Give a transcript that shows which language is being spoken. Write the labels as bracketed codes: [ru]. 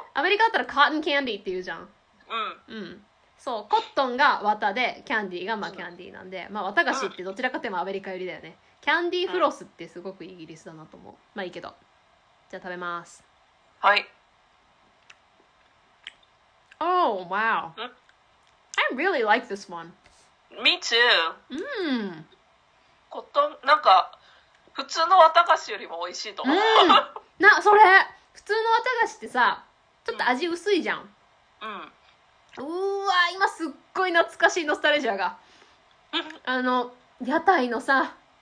[ja] アメリカだったらカットンキャンディーっていうじゃん。うん。うん、そう、コットンが綿でキャンディーがまあキャンディーなんで、まあ綿菓子ってどちらかというとアメリカ寄りだよね。キャンディーフロスってすごくイギリスだなと思う。まあいいけど、じゃあ食べます。はい。 [en] Oh wow、うん、I really like this one. Me too、うん、 [ja] コットン、なんか普通の綿菓子よりも美味しいと思う、うん、な、それ普通の綿菓子ってさ、ちょっと味薄いじゃん。うん、うーわー、今すっごい懐かしいノスタルジアが、あの屋台のさ、